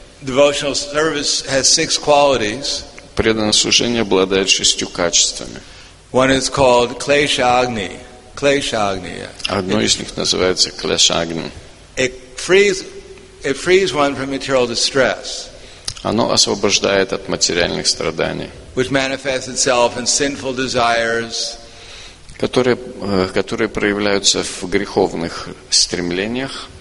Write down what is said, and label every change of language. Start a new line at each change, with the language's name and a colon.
English: Devotional service has six qualities.
Russian: Преданное служение обладает шестью качествами.
English: One is called Kleshagni.
Sanskrit: Kleshagni.
Russian: Одно из них называется Kleshagni.
English: It frees one from material distress.
Russian: Оно освобождает от материальных страданий.
English: Which manifests itself in sinful desires.
Russian: Которые проявляются в греховных стремлениях,